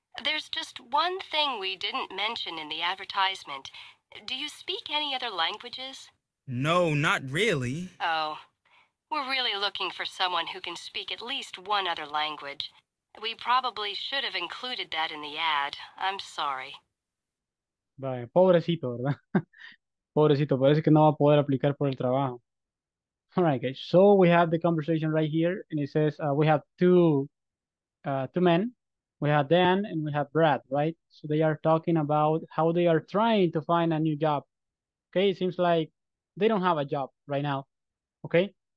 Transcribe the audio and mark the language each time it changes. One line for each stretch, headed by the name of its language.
English: There's just one thing we didn't mention in the advertisement. Do you speak any other languages? No, not really. Oh, we're really looking for someone who can speak at least one other language. We probably should have included that in the ad. I'm sorry.
Spanish: Vaya, pobrecito, ¿verdad? Pobrecito, parece que no va a poder aplicar por el trabajo.
English: All right, guys. So we have the conversation right here, and it says we have two men. We have Dan and we have Brad, right? So they are talking about how they are trying to find a new job. Okay, it seems like they don't have a job right now. Okay.